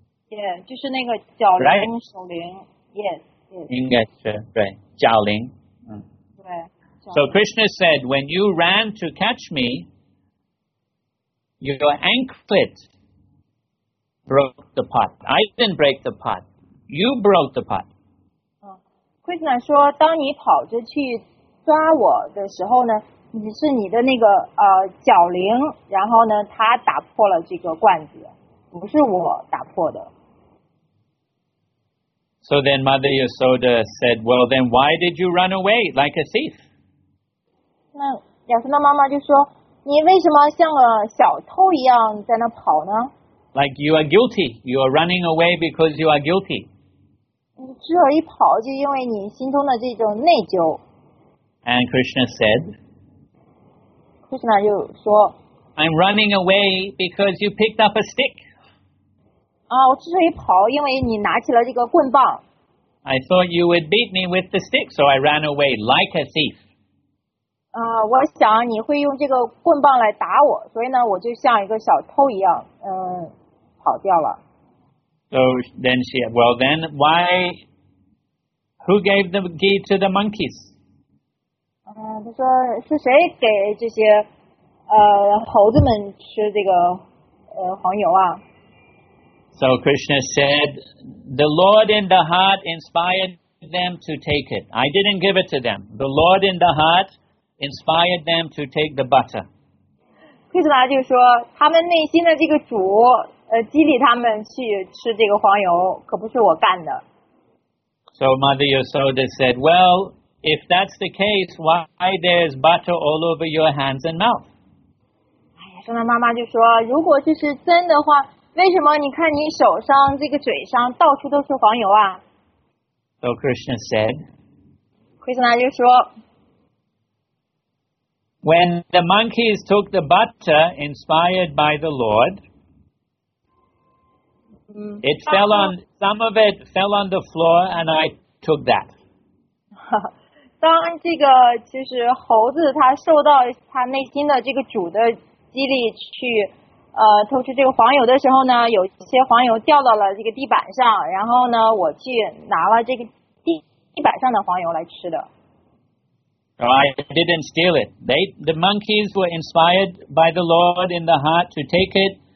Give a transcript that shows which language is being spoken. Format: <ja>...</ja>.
<en>Yeah,</en> <zh>就是那个脚铃、手铃。</zh> <en>Yes, yes.</en> <zh>应该是对，脚铃。嗯。对。</zh> <en>So Krishna said, when you ran to catch me, your anklet broke the pot. I didn't break the pot. You broke the pot.</en> <zh>Krishna 说当你跑着去抓我的时候呢你是你的那个脚铃然后呢他打破了这个罐子不是我打破的。</zh> <en>So then Mother Yasoda said, well then why did you run away like a thief?</en> <zh>那亚瑟的妈妈就说你为什么像个小偷一样在那跑呢</zh> <en>?Like you are guilty, you are running away because you are guilty.</en> <zh>这一跑就因为你心中的这种内疚。</zh> <en>And Krishna said,</en> <zh>Krishna 就说</zh> <en>I'm running away because you picked up a stick.</en> <zh>啊，我之所以跑，因为你拿起了这个棍棒。</zh> <en>I thought you would beat me with the stick, so I ran away like a thief.</en> <zh>啊，我想你会用这个棍棒来打我，所以呢，我就像一个小偷一样，跑掉了。</zh> <en>So then she said, well then, why, who gave the key to the monkeys?</en> <zh>他说是谁给这些猴子们吃这个黄油啊?</zh> <en>So Krishna said, the Lord in the heart inspired them to take it. I didn't give it to them. The Lord in the heart inspired them to take the butter.</en> <zh>Krishna 就说他们内心的这个主激励他们去吃这个黄油，可不是我干的。</zh> <en>So Mother Yasoda said, "Well, if that's the case, why there's butter all over your hands and mouth?"</en> <zh>哎呀，说那妈妈就说，如果这是真的话，为什么你看你手上这个嘴上到处都是黄油啊</zh> <en>？So Krishna said.</en> <zh>Krishna 就说</zh> <en>，When the monkeys took the butter inspired by the Lord. It fell on, some of it fell on the floor and I took that.</en> <zh>当这个其实猴子他受到他内心的这个主的激励去偷吃这个黄油的时候呢有些黄油掉到了这个地板上然后呢我去拿了这个地板上的黄油来吃的。</zh> <en>I didn't steal it. The monkeys were inspired by the Lord in the heart to take it.</en>